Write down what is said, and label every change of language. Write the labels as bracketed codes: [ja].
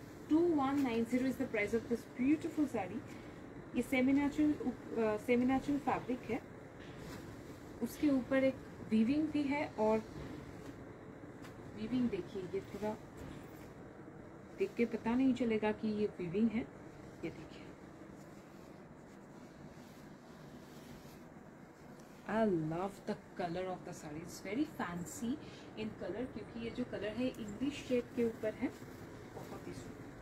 [en] 2190 is the price of this beautiful sari. [hi] ये semi-natural, semi-natural fabric है, उसके ऊपर एक weaving भी है, और weaving देखिए, ये थोड़ा देख के पता नहीं चलेगा कि ये weaving है। ये देखिए, [en] I love the color of the sari. It's very fancy in color, [hi] क्योंकि ये जो color है English shape के ऊपर है, बहुत ही सुंदर।